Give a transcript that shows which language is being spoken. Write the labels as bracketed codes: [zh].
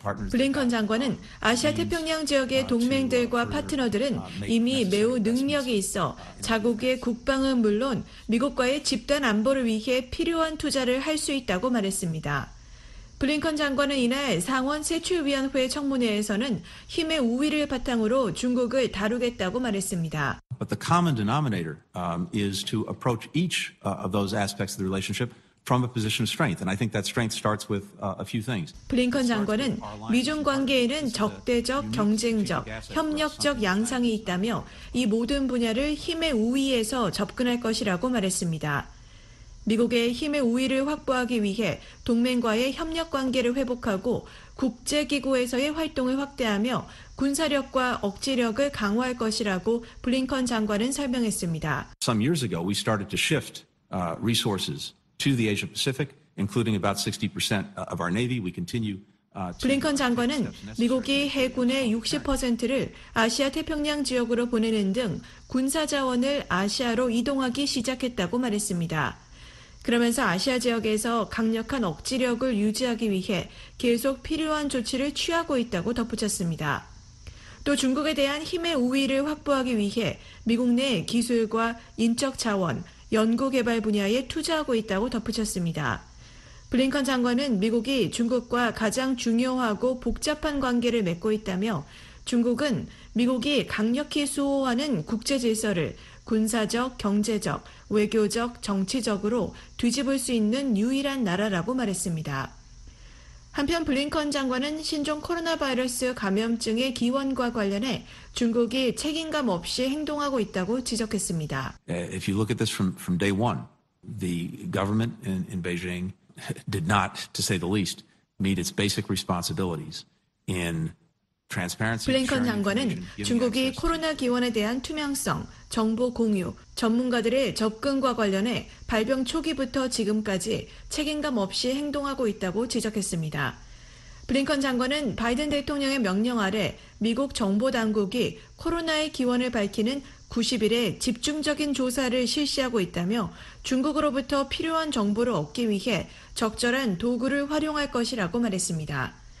[ko] 블링컨 장관은 아시아 태평양 지역의 동맹들과 파트너들은 이미 매우 능력이 있어 자국의 국방은 물론 미국과의 집단 안보를 위해 필요한 투자를 할 수 있다고 말했습니다. 블링컨 장관은 이날 상원 세출위원회 청문회에서는 힘의 우위를 바탕으로 중국을 다루겠다고 말했습니다. [en] But the common denominator is to approach each of those aspects of the relationship. From a position of strength, and I think that strength starts with a few things. [ko] 블링컨 장관은 미중 관계에는 적대적, 경쟁적, 협력적 양상이 있다며 이 모든 분야를 힘의 우위에서 접근할 것이라고 말했습니다. 미국의 힘의 우위를 확보하기 위해 동맹과의 협력 관계를 회복하고 국제기구에서의 활동을 확대하며 군사력과 억제력을 강화할 것이라고 블링컨 장관은 설명했습니다. [en] Some years ago, we started to shift resources. To the Asia Pacific, including about 60% of our Navy, we continue. [ko] 블링컨 장관은 미국이 해군의 60%를 아시아 태평양 지역으로 보내는 등 군사 자원을 아시아로 이동하기 시작했다고 말했습니다. 그러면서 아시아 지역에서 강력한 억지력을 유지하기 위해 계속 필요한 조치를 취하고 있다고 덧붙였습니다. 또 중국에 대한 힘의 우위를 확보하기 위해 미국 내 기술과 인적 자원, 연구개발 분야에 투자하고 있다고 덧붙였습니다. 블링컨 장관은 미국이 중국과 가장 중요하고 복잡한 관계를 맺고 있다며 중국은 미국이 강력히 수호하는 국제질서를 군사적, 경제적, 외교적, 정치적으로 뒤집을 수 있는 유일한 나라라고 말했습니다. 한편 블링컨 장관은 신종 코로나 바이러스 감염증의 기원과 관련해 중국이 책임감 없이 행동하고 있다고 지적했습니다. [en] If you look at this from day one, the government in Beijing did not, to say the least, meet its basic responsibilities in [ko] 블링컨 장관은 중국이 코로나 기원에 대한 투명성, 정보 공유, 전문가들의 접근과 관련해 발병 초기부터 지금까지 책임감 없이 행동하고 있다고 지적했습니다. 블링컨 장관은 바이든 대통령의 명령 아래 미국 정보당국이 코로나의 기원을 밝히는 90일에 집중적인 조사를 실시하고 있다며 중국으로부터 필요한 정보를 얻기 위해 적절한 도구를 활용할 것이라고 말했습니다.